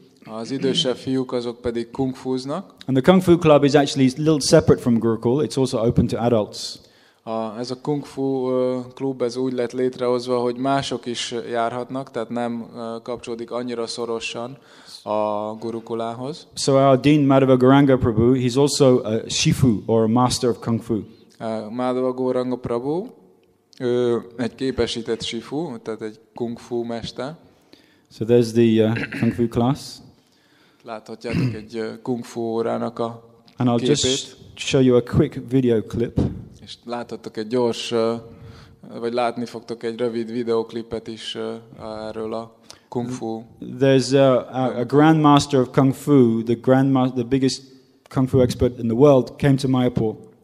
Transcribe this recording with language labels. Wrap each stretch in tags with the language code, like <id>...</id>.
<hu>Az idősebb fiúk azok pedig kung fuznak.</hu> <en>And the kung fu club is actually a little separate from Gurukul. It's also open to adults.</en> <hu>Ez a kung fu klub ez úgy lett létrehozva, hogy mások is járhatnak, tehát nem kapcsolódik annyira szorosan a Gurukulához.</hu> <en>So our Dean Madhava Gauranga Prabhu, he's also a shifu or a master of kung fu.</en> <hu>Madhava Gauranga Prabhu, egy képesített sifu, tehát egy kung fu mester.</hu> <en>So there's the kung fu class.</en> <hu>Láthatjátok egy kung fu órának a képét.</hu> <en>And I'll just show you a quick video clip.</en> <hu>És láthatok egy gyors, vagy látni fogtok egy rövid videoklipet is erről a kung fu.</hu> <en>There's a grandmaster of kung fu, the biggest kung fu expert in the world, came to Mayapur.</en>